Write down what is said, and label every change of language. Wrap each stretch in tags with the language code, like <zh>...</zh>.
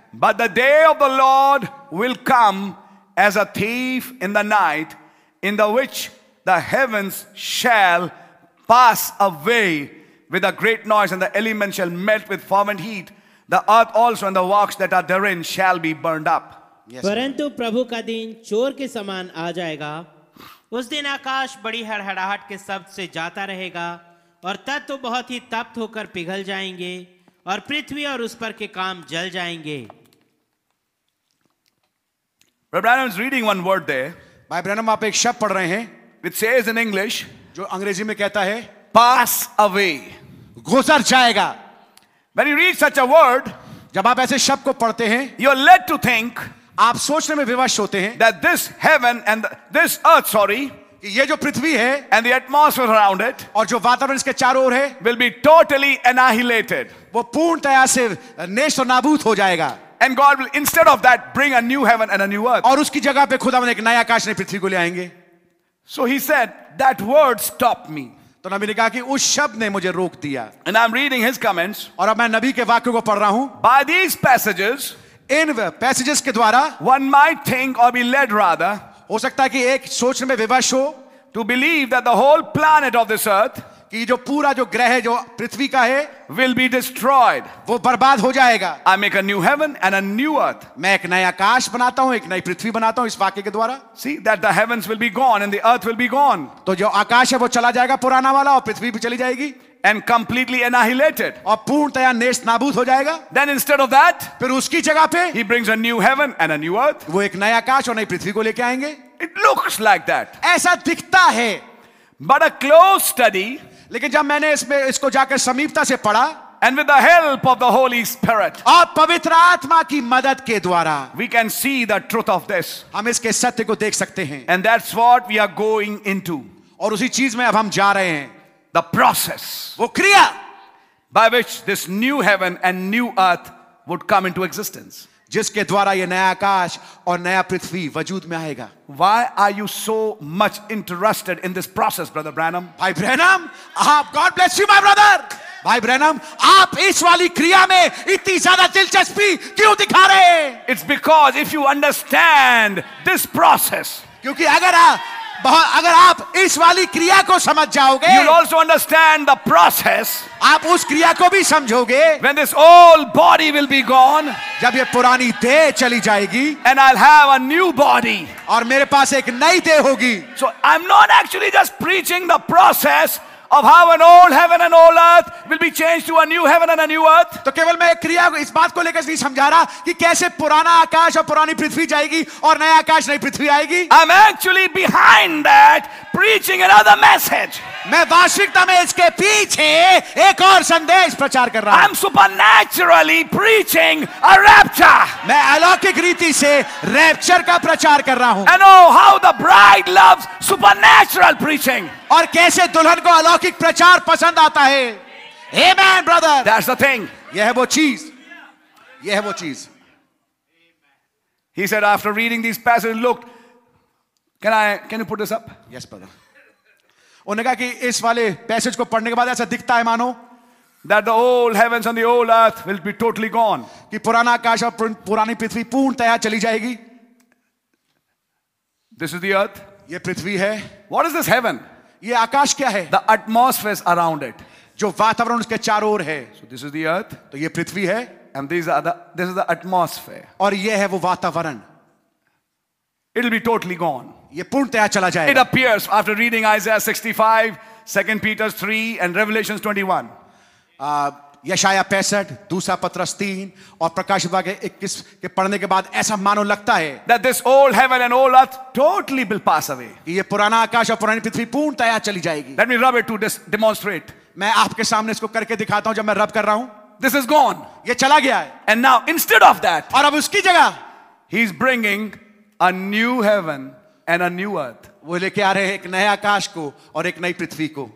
<en>But the day of the Lord will come as a thief in the night, in the which the heavens shall pass away with a great noise, and the elements shall melt with fervent heat. The earth also and the works that are therein shall be burned up.</en> <hi>परंतु प्रभु का दिन चोर के समान आ जाएगा. उस दिन आकाश बड़ी हड़हड़ाहट के शब्द से जाता रहेगा, और तत्व बहुत ही तप्त होकर पिघल जाएंगे, और पृथ्वी और उस पर के काम जल जाएंगे.</hi> <en>Branham is reading one word there.</en> <hi>By Branham, आप एक शब्द पढ़ रहे हैं.</hi> <en>It says in English,</en> <hi>जो अंग्रेजी में कहता है,</hi> <en>pass away,</en> <hi>गुजर जाएगा.</hi> <en>When you read such a word,</en> <hi>जब आप ऐसे शब्द को पढ़ते हैं,</hi> <en>you are led to think,</en> <hi>आप सोचने में विवश होते हैं,</hi> <en>that this heaven and this earth, sorry,</en> <hi>कि ये जो पृथ्वी है,</hi> <en>and the atmosphere around it,</en> <hi>और जो वातावरण इसके चारों ओर है,</hi> <en>will be totally annihilated.</en> <hi>वो पूर्णतया से नष्ट और नाबूद हो जाएगा.</hi> <en>And God will, instead of that, bring a new heaven and a new earth.</en> <hi>और उसकी जगह पे खुदा ने एक नया आकाश नई पृथ्वी को ले आएंगे.</hi> <en>So he said that word stopped me.</en> <hi>तो नबी ने कहा कि उस शब्द ने मुझे रोक दिया.</hi> <en>And I'm reading his comments.</en> <hi>और अब मैं नबी के वाक्य को पढ़ रहा हूँ.</hi> <en>By these passages,</en> <hi>in passages के द्वारा,</hi> <en>one might think or be led rather,</en> <hi>हो सकता है कि एक सोचने में विवश हो,</hi> <en>to believe that the whole planet of this earth,</en> <hi>कि जो पूरा जो ग्रह जो पृथ्वी का है,</hi> <en>will be destroyed,</en> <hi>वो बर्बाद हो जाएगा.</hi> <en>I make a new heaven and a new earth,</en> <hi>मैं एक नया आकाश बनाता हूं, एक नई पृथ्वी बनाता हूं इस वाक्य के द्वारा.</hi> <en>See that the heavens will be gone and the earth will be gone,</en> <hi>तो जो आकाश है वो चला जाएगा पुराना वाला, और पृथ्वी भी चली जाएगी.</hi> <en>And completely annihilated,</en> <hi>और पूर्णतया नष्ट नाबूद हो जाएगा.</hi> <en>Then instead of that,</en> <hi>फिर उसकी जगह पे,</hi> <en>he brings a new heaven and a new earth,</en> <hi>वो एक नया आकाश और नई पृथ्वी को लेके आएंगे.</hi> <en>It looks like that,</en> <hi>ऐसा दिखता है.</hi> <en>But a close study,</en> <hi>लेकिन जब मैंने इसमें इसको जाकर समीपता से पढ़ा,</hi> <en>and with the help of the Holy Spirit,</en> <hi>और पवित्र आत्मा की मदद के द्वारा,</hi> <en>we can see the truth of this,</en> <hi>हम इसके सत्य को देख सकते हैं.</hi> <en>and that's what we are going into,</en> <hi>और उसी चीज में अब हम जा रहे हैं.</hi> <en>the process,</en> <hi>वो क्रिया,</hi> <en>by which this new heaven and new earth would come into existence,</en> <hi>जिसके द्वारा ये नया आकाश और नया पृथ्वी वजूद में आएगा.</hi> <en>Why are you so much interested in this process, Brother Branham?</en> <hi>भाई ब्रैनम, आप,</hi> <en>God bless you, my brother.</en> <hi>भाई ब्रैनम, आप इस वाली क्रिया में इतनी ज्यादा दिलचस्पी क्यों दिखा रहे हैं?</hi> <en>It's because if you understand this process,</en> <hi>क्योंकि अगर आप इस वाली क्रिया को समझ जाओगे,</hi> <en>you'll also understand the process,</en> <hi>आप उस क्रिया को भी समझोगे,</hi> <en>when this old body will be gone,</en> <hi>जब ये पुरानी देह चली जाएगी,</hi> <en>and I'll have a new body,</en> <hi>और मेरे पास एक नई देह होगी.</hi> <en>So I'm not actually just preaching the process of how an old heaven and old earth will be changed to a new heaven and a new earth.</en> <hi>तो केवल मैं क्रिया इस बात को लेकर नहीं समझा रहा कि कैसे पुराना आकाश और पुरानी पृथ्वी जाएगी और नया आकाश नई पृथ्वी आएगी.</hi> <en>I'm actually behind that preaching another message.</en> <hi>मैं वास्तविकता में इसके पीछे एक और संदेश प्रचार कर रहा हूं.</hi> <en>I'm supernaturally preaching a rapture.</en> <hi>मैं अलौकिक रीति से रैप्चर का प्रचार कर रहा हूं.</hi> <en>And oh, how the bride loves supernatural preaching.</en> <hi>और कैसे दुल्हन को अलौकिक प्रचार पसंद आता है.</hi> <en>Amen, brother. That's the thing.</en> <hi>यह है वो चीज़. यह है वो चीज़.</hi> <en>He said after reading these passages, look, can you put this up? Yes, brother.</en> <hi>उन्होंने कहा कि इस वाले पैसेज को पढ़ने के बाद ऐसा दिखता है मानो</hi> <en>that the old heavens and the old earth will be totally gone.</en> <hi>कि पुराना आकाश और पुरानी पृथ्वी पूर्णतः चली जाएगी.</hi> <en>This is the earth.</en> <hi>ये पृथ्वी है.</hi> <en>What is this heaven?</en> <hi>ये आकाश क्या है?</hi> <en>The atmosphere is around it.</en> <hi>जो वातावरण उसके चारों ओर है.</hi> <en>So this is the earth.</en> <hi>तो ये पृथ्वी है.</hi> <en>And this is the atmosphere.</en> <hi>और ये है वो वातावरण.</hi> <en>It'll be totally gone.</en> <hi>ये पूर्णतया चला जाएगा.</hi> <en>It appears after reading Isaiah 65, 2 Peter 3 and Revelation 21.</en> <hi>यशाया 65, दूसरा पत्रस 3 और प्रकाशित वाक्य 21 के पढ़ने के बाद ऐसा मानो लगता है</hi> <en>that this old heaven and old earth totally will pass away.</en> <hi>कि ये पुराना आकाश और पुरानी पृथ्वी पूर्णतया चली जाएगी.</hi> <en>Let me rub it to demonstrate.</en> <hi>मैं आपके सामने इसको करके दिखाता हूं. जब मैं रब कर रहा हूं,</hi> <en>this is gone.</en> <hi>ये चला गया है.</hi> <en>And now instead of that,</en> <hi>और अब उसकी जगह</hi> <en>he is bringing a new heaven and a new earth.</en> <hi>वो लेके आ रहे हैं एक नया आकाश को और एक नई पृथ्वी को.</hi>